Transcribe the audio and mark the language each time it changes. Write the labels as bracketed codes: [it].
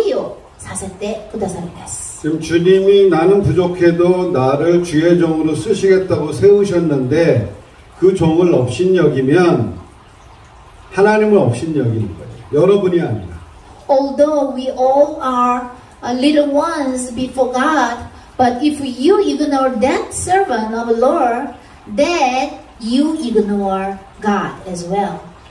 [ja] もしそんな経験を神様が下さる理由は、そのリードがその人のために祈るべきですから、そんな用意をさせてくださるんです。 [ko] 지금 주님이 나는 부족해도 나를 주의 종으로 쓰시겠다고 세우셨는데 그 종을 없인 여기면 하나님을 없인 여기는 거예요. 여러분이 아니라. [en] Although we all are little ones before God, but if you ignore that servant of the Lord, then you ignore God as well.